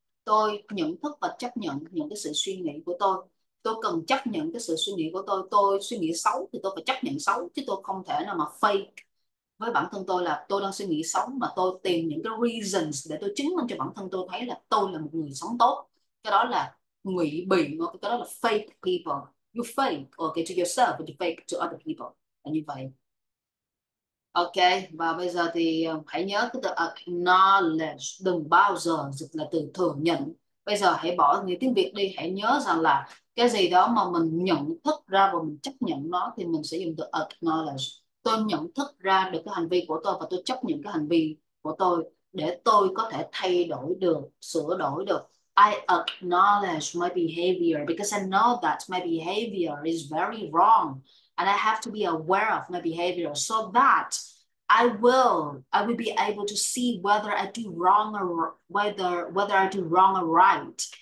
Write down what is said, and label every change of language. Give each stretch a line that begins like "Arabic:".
Vietnamese: Tôi nhận thức và chấp nhận những cái sự suy nghĩ của tôi cần chấp nhận cái sự suy nghĩ của tôi suy nghĩ xấu thì tôi phải chấp nhận xấu, chứ tôi không thể nào mà fake với bản thân tôi là tôi đang suy nghĩ xấu, mà tôi tìm những cái reasons để tôi chứng minh cho bản thân tôi thấy là tôi là một người sống tốt. Cái đó là ngụy biện, cái đó là
English: fake people. You fake, okay, to yourself, but you fake to other people.
Vietnamese: Là như vậy. Ok, và bây giờ thì hãy nhớ cái từ acknowledge, đừng bao giờ dịch là từ thừa nhận. Bây giờ hãy bỏ nghĩa tiếng Việt đi, hãy nhớ rằng là cái gì đó mà mình nhận thức ra và mình chấp nhận nó thì mình sẽ dùng từ acknowledge. Tôi nhận thức ra được cái hành vi của tôi và tôi chấp nhận cái hành vi của tôi để tôi có thể thay đổi được, sửa đổi được.
English: I acknowledge my behavior because I know that my behavior is very wrong. And I have to be aware of my behavior so that I will be able to see whether I do wrong or right.